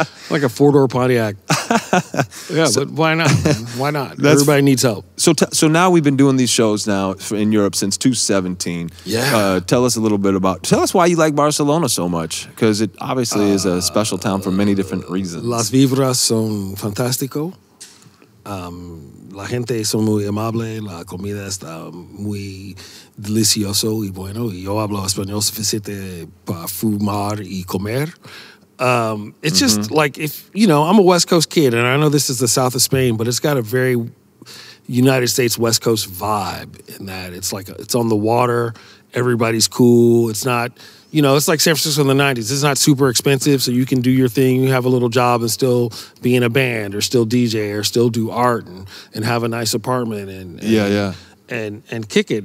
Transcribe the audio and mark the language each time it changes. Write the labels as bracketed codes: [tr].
[en] Like a four-door Pontiac. Yeah, so, but why not? Why not? Everybody needs help. So now we've been doing these shows now in Europe since 2017. Yeah. Tell us a little bit about... Tell us why you like Barcelona so much, because it obviously is a special town for many different reasons. [es] Las vibras son fantástico. La gente son muy amable. La comida está muy delicioso y bueno. Yo hablo español suficiente para fumar y comer. [en] It's just like, if you know, I'm a West Coast kid, and I know this is the south of Spain, but it's got a very United States West Coast vibe in that it's like it's on the water, everybody's cool. It's not, you know, it's like San Francisco in the 90s. It's not super expensive, so you can do your thing. You have a little job and still be in a band or still DJ or still do art and have a nice apartment and kick it.